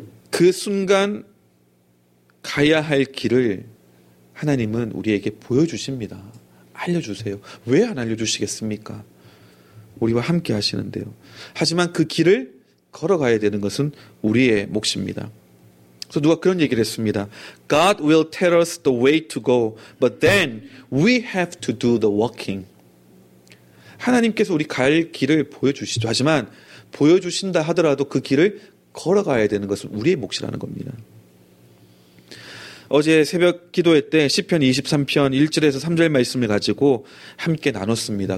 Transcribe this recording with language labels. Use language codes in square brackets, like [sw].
[ko] 그 순간 가야 할 길을 하나님은 우리에게 보여주십니다. 알려주세요. 왜 안 알려주시겠습니까? 우리와 함께 하시는데요. 하지만 그 길을 걸어가야 되는 것은 우리의 몫입니다. 그래서 누가 그런 얘기를 했습니다. [en] God will tell us the way to go, but then we have to do the walking. [ko] 하나님께서 우리 갈 길을 보여주시죠. 하지만 보여주신다 하더라도 그 길을 걸어가야 되는 것은 우리의 몫이라는 겁니다. 어제 새벽 기도회 때 시편 23편 1절에서 3절 말씀을 가지고 함께 나눴습니다.